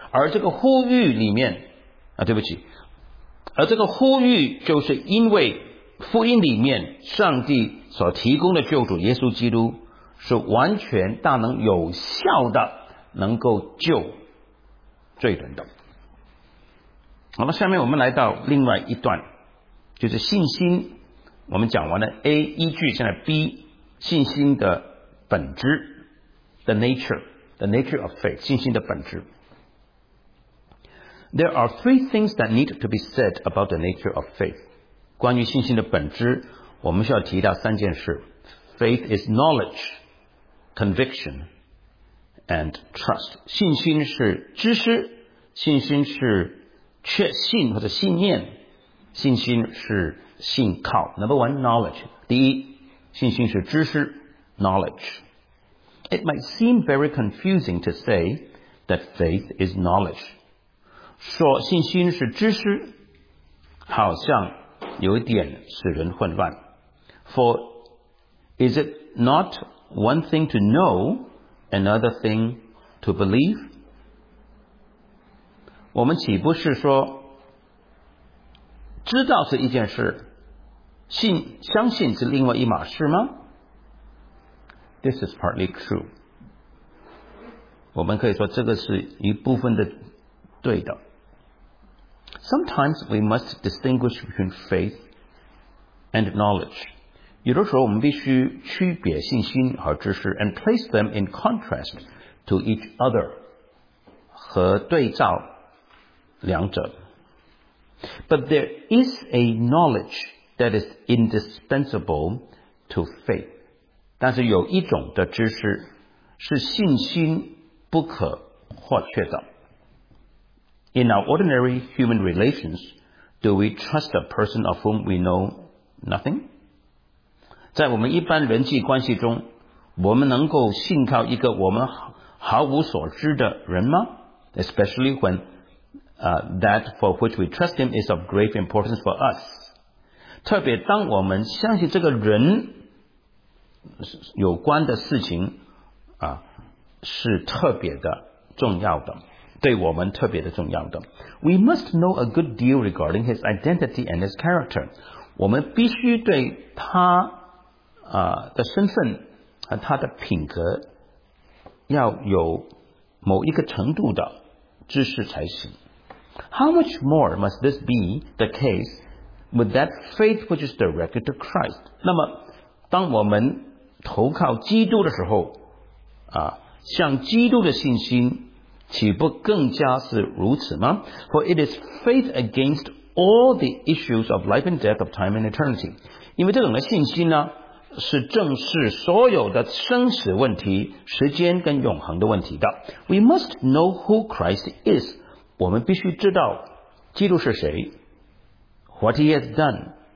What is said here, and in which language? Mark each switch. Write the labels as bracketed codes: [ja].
[zh] 而这个呼吁里面而这个呼吁就是因为福音里面上帝所提供的救主耶稣基督是完全大能有效的，能够救罪人的。好了，下面我们来到另外一段，就是信心。我们讲完了 A 依据，现在 B 信心的本质 [en] The nature of faith [zh] 信心的本质。 [en] There are three things that need to be said about the nature of faith。 [zh] 关于信心的本质，我们需要提到三件事。 [en] Faith is knowledge, conviction and trust。 [zh] 信心是知识，信心是确信或者信念，信心是信靠。 [en] Number one, knowledge。 [zh] 第一，信心是知识 knowledge。 [en] It might seem very confusing to say that faith is knowledge. [zh] 说信心是知识，好像有点使人混乱。 [en] For is it not one thing to know, another thing to believe? [zh] 我们岂不是说，知道是一件事，信，相信是另外一码事吗？ [en] This is partly true. [zh] 我们可以说这个是一部分的对的。 [en] Sometimes we must distinguish between faith and knowledge. [zh] 有的时候我们必须区别信心和知识 [en] and place them in contrast to each other, [zh] 和对照两者。 [en] But there is a knowledge that is indispensable to faith. [zh] 但是有一种的知识是信心不可或缺的。 [en] In our ordinary human relations, do we trust a person of whom we know nothing? [zh] 在我们一般人际关系中，我们能够信靠一个我们毫无所知的人吗？ [en] Especially when, that for which we trust him is of great importance for us. [zh] 特别当我们相信这个人有关的事情是特别的重要的，对我们特别的重要的。 [en] We must know a good deal regarding his identity and his character. [zh] 我们必须对他的身份和他的品格要有某一个程度的知识才行。 [en] How much more must this be the case with that faith which is directed to Christ? [zh] 那么当我们投靠基督的时候像基督的信心岂不更加是如此吗？ [en] For it is faith against all the issues of life and death of time and eternity. [zh] 因为这种的信心呢是正视所有的生死问题，时间跟永恒的问题的。 [en] We must know who Christ is. [zh] 我们必须知道基督是谁， [en] What he has done.